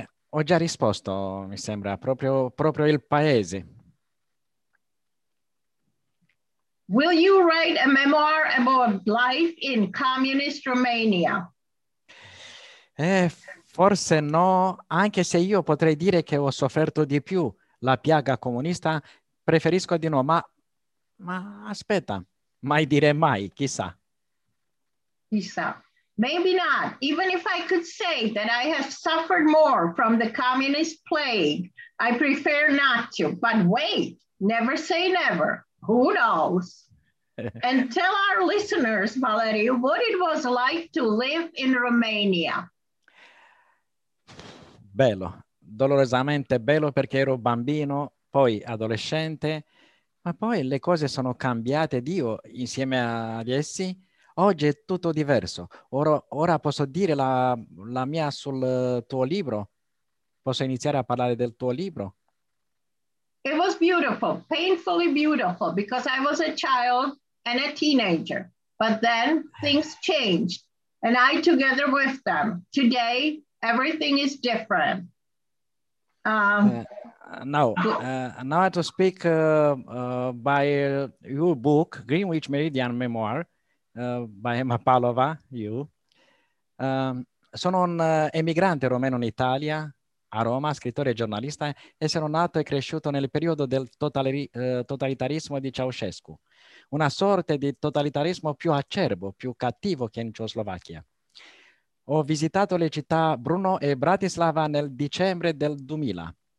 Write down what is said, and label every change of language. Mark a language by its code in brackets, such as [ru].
[it] Ho già risposto, mi sembra, proprio il paese. [en] Will you write a memoir about life in communist Romania? [it] Forse no, anche se io potrei dire che ho sofferto di più la piaga comunista, preferisco di no, ma aspetta, mai dire mai, chissà. [en] Chissà, maybe not. Even if I could say that I have suffered more from the communist plague, I prefer not to. But wait, never say never. Who knows? And tell our listeners, Valeriu, what it was like to live in Romania. [it] Bello, dolorosamente bello perché ero bambino, poi adolescente, ma poi le cose sono cambiate. Dio, insieme ad essi, oggi è tutto diverso. Ora posso dire la mia sul tuo libro? Posso iniziare a parlare del tuo libro? [en] It was beautiful, painfully beautiful, because I was a child and a teenager. But then things changed, and I together with them. Today, everything is different. Now to speak by your book, Greenwich Meridian Memoir, by Emma Palova, you. [it] Sono un emigrante romeno in Italia, A Roma, scrittore e giornalista, essere nato e cresciuto nel periodo del totalitarismo di Ceausescu, una sorta di totalitarismo più acerbo, più cattivo che in Ciuslovacchia. Ho visitato le città Brno e Bratislava nel dicembre del 2000.